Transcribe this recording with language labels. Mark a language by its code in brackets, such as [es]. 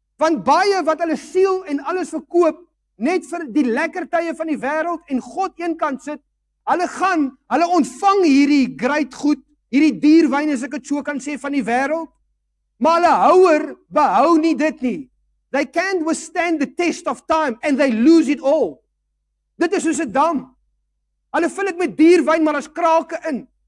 [af] Want baie wat hulle siel en alles verkoop net vir die lekker tye van die wêreld en God een kant sit, hulle gaan, hulle ontvang hierdie great goed, hierdie duur wyn as ek dit so kan sê van die wêreld, maar hulle houer behou nie dit nie. [en] They can't withstand the test of time and they lose it all. [af] Dit is soos 'n dam. Hulle vul dit met duur wyn, maar daar's krake in.